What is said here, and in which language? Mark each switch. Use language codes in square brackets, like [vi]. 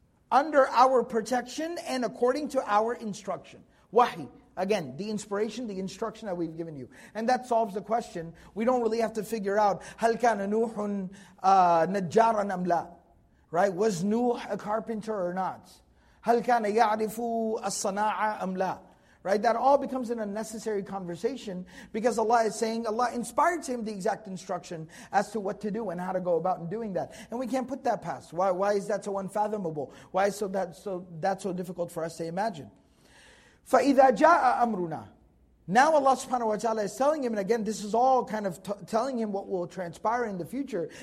[en] Under our protection and according to our instruction. Wahi. Again, the inspiration, the instruction that we've given you. And that solves the question. We don't really have to figure out, هَلْ كَانَ نُوحٌ نَجَّارًا أَمْ لَا Right? Was Nuh a carpenter or not? [ar] هَلْ كَانَ يَعْرِفُ الصَّنَاعَ أَمْ لَا Right? [en] That all becomes an unnecessary conversation because Allah is saying, Allah inspired to him the exact instruction as to what to do and how to go about in doing that. And we can't put that past. Why is that so unfathomable? Why is that so difficult for us to imagine? فَإِذَا جَاءَ أَمْرُنَا Now Allah subhanahu wa ta'ala is telling him, and again this is all kind of telling him what will transpire in the future.